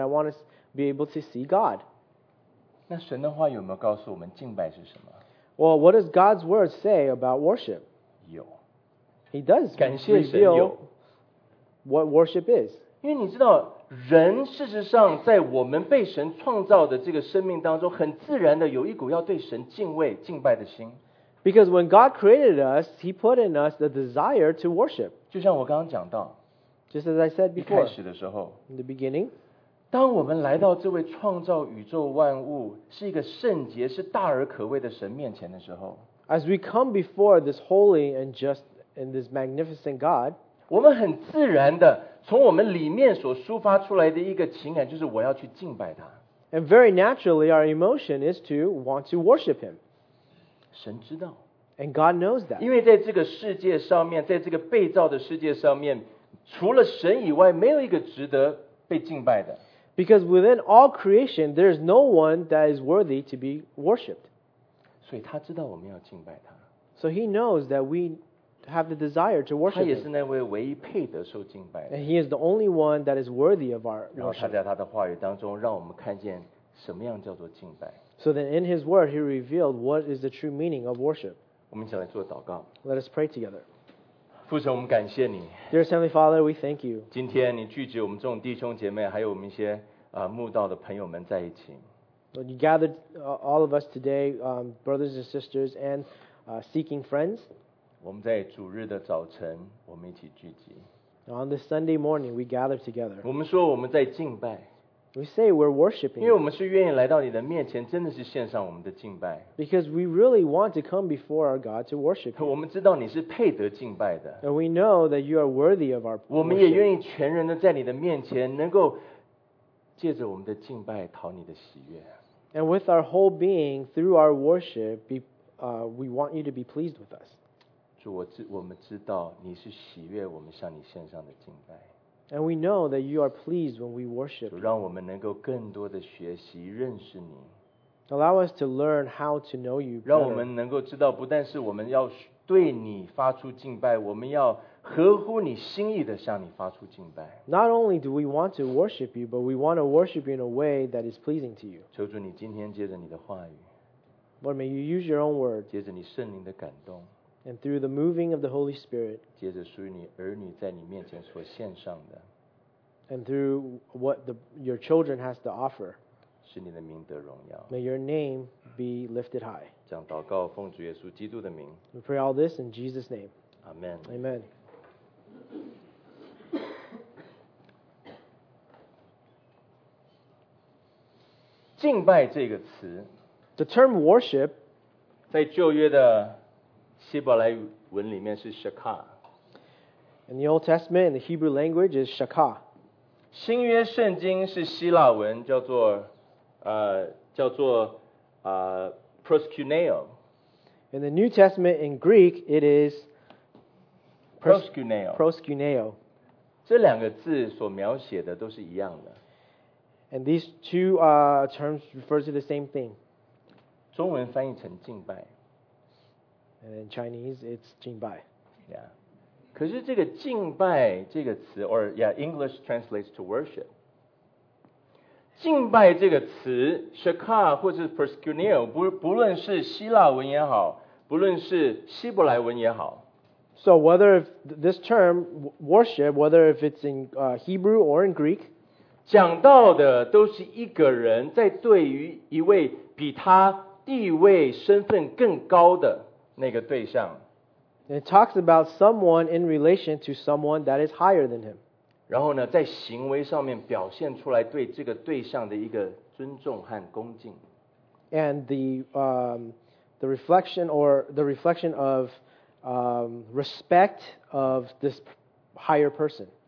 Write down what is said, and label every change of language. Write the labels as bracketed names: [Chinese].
[English] I want to be able to see God. [Chinese] 那神的话有没有告诉我们敬拜是什么？ [English] Well, what does God's word say about worship? [Chinese] 有。 [English] He does. [Chinese] 感谢神有。 [English] What worship is? [Chinese] 因为你知道。人事实上在我们被神创造的这个生命当中，很自然的有一股要对神敬畏敬拜的心。 [English] Because when God created us, He put in us the desire to worship. [Chinese] 就像我刚刚讲到 [English] ，Just as I said before, [Chinese] 一开始的时候 [English] ，In the beginning, [Chinese] 当我们来到这位创造宇宙万物是一个圣洁是大而可畏的神面前的时候 [English] ，As we come before this holy and just and this magnificent God, [Chinese] 我们很自然的。从我们里面所抒发出来的一个情感就是我要去敬拜他。 [English] And very naturally, our emotion is to want to worship Him. [Chinese] 神知道。 [English] And God knows that. [Chinese] 因为在这个世界上面，在这个被造的世界上面，除了神以外，没有一个值得被敬拜的。 [English] Because within all creation, there is no one that is worthy to be worshipped. [Chinese] 所以他知道我们要敬拜他。 [English] So He knows that we... have the desire to worship Him. [Chinese] 他也是那位唯一配得受敬拜的。 [English] And He is the only one that is worthy of our worship. [Chinese] 然后他在他的话语当中让我们看见什么样叫做敬拜。 [English] So then in His word, He revealed what is the true meaning of worship. [Chinese] 我们一起来做祷告。 [English] Let us pray together. [Chinese] 父神，我们感谢你。 [English] Dear Heavenly Father, we thank you. [Chinese] 今天你聚集我们这种弟兄姐妹，还有我们一些慕道的朋友们在一起。 [English] Lord, you gathered all of us today, brothers and sisters, and seeking friends. [Chinese] 我们在主日的早晨，我们一起聚集。 [English] On this Sunday morning, we gather together. [Chinese] 我们说我们在敬拜。 [English] We say we're worshiping. [Chinese] 因为我们是愿意来到你的面前，真的是献上我们的敬拜。 [English] Because we really want to come before our God to worship. [Chinese] 我们知道你是配得敬拜的。 [English] And we know that you are worthy of our worship. [Chinese] 我们也愿意全人的在你的面前，能够借着我们的敬拜讨你的喜悦。 [English] And with our whole being, through our worship, we want you to be pleased with us. [Chinese] 主，我们知道你是喜悦我们向你献上的敬拜。 [English] And we know that you are pleased when we worship. [Chinese] 主，让我们能够更多的学习认识你。 [English] Allow us to learn how to know you better. [Chinese] 让我们能够知道，不但是我们要对你发出敬拜，我们要合乎你心意的向你发出敬拜。 [English] Not only do we want to worship you, but we want to worship you in a way that is pleasing to you. [Chinese] 求主，你今天借着你的话语。 [English] Lord, may you use your own word. [Chinese] 借着你圣灵的感动。 [English] And through the moving of the Holy Spirit, [Chinese] 借着属于你儿女在你面前所献上的 [English] and through what your children has to offer, [Chinese] 使你的名得荣耀。 [English] May your name be lifted high. [Chinese] 这样祷告，奉主耶稣基督的名。 [English] We pray all this in Jesus' name. Amen. Amen. [Chinese] 敬拜这个词 [English] ，the term worship， [Chinese] 在旧约的希伯来文里面是 shakah。 [English] In the Old Testament, in the Hebrew language, is shakah。 [Chinese] 新约圣经是希腊文，叫做proskuneo。 [English] In the New Testament, in Greek, it is [Greek] proskuneo。 proskuneo。 [Chinese] 这两个字所描写的都是一样的。 [English] And these two terms refer to the same thing. [Chinese] 中文翻译成敬拜。 [English] And in Chinese, it's 敬拜。 Yeah. [Chinese] 可是这个敬拜这个词 [English] or yeah, English translates to worship. [Chinese] 敬拜这个词 shakah 或者 proskuneo 不论是希腊文也好不论是希伯来文也好。 [English] So whether if this term, worship, whether if it's in Hebrew or in Greek, [Chinese] 讲到的都是一个人在对于一位比他地位身份更高的那个对象。 [English] It talks about someone in relation to someone that is higher than him. [Chinese] 然后呢，在行为上面表现出来对这个对象的一个尊重和恭敬。 [English] And the reflection or the reflection of respect of this higher person.